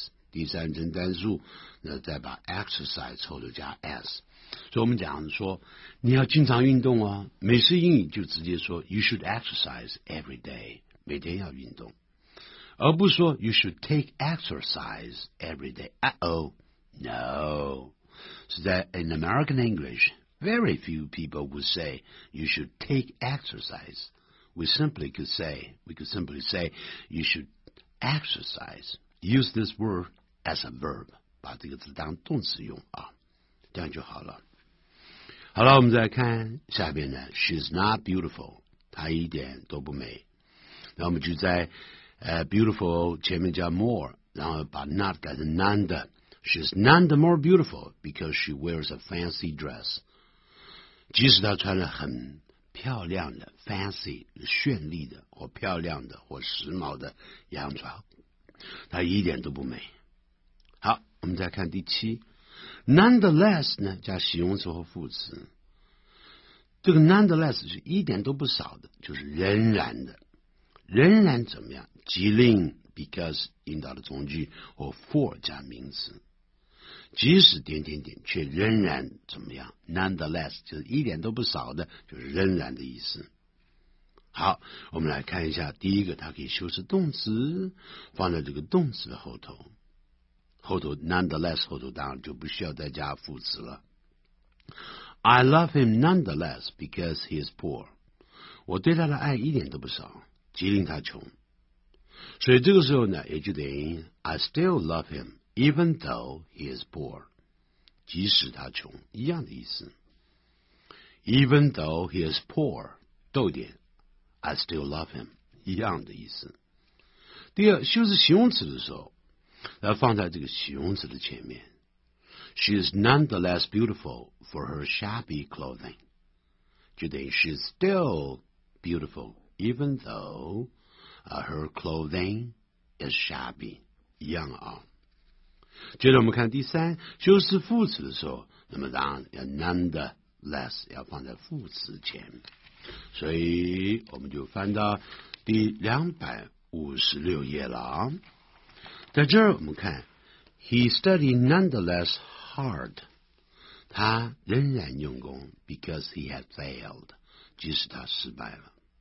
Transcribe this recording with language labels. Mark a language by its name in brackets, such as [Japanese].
[Chinese] 第三人单数，那再把 exercise 后头加 s， 所以我们讲说你要经常运动哦。美式英语就直接说 [English] you should exercise every day， [Chinese] 每天要运动，而不是说 [English] you should take exercise every day。 No， [Chinese] 是在 [English] in American English， very few people would say you should take exercise。 We could simply say you should exercise。 Use this word as a verb， [Chinese] 把这个字当动词用啊，这样就好了。好了，我们再看下边呢 ， [English] She's not beautiful， [Chinese] 她一点都不美。那我们就在beautiful 前面加 more， 然后把 not 改成 none 的。 [English] She's none the more beautiful because she wears a fancy dress。 [Chinese] 即使她穿了很漂亮的 fancy 绚丽的或漂亮的或时髦的洋装，她一点都不美。好，我们再看第七。Nonetheless 呢，加形容词和副词，这个 nonetheless 是一点都不少的，就是仍然的，仍然怎么样？即令 because 引导的从句或 for 加名词，即使点点点，却仍然怎么样 ？Nonetheless 就是一点都不少的，就是仍然的意思。好，我们来看一下第一个，它可以修饰动词，放在这个动词的后头。后头 nonetheless 后头当然就不需要再加副词了。 [English] I love him nonetheless because he is poor。 [Chinese] 我对他的爱一点都不少，即令他穷。所以这个时候呢，也就等于 [English] I still love him even though he is poor。 [Chinese] 即使他穷，一样的意思。 [English] Even though he is poor， [Chinese] 逗点 [English] ，I still love him， 一样的意思。 [Chinese] 第二，修饰形容词的时候。要放在这个形容词的前面。 [English] She is nonetheless beautiful for her shabby clothing. [Chinese] 就等于 [English] she is still beautiful even though her clothing is shabby. [Chinese] 一样啊。接着我们看第三，修饰副词的时候，那么当然要 nonetheless 要放在副词前。所以我们就翻到第256页了啊。在这儿我们看 [English] He studied nonetheless hard， [Chinese] 他仍然用功 [English] because he had failed， [Chinese] 即使他失败了。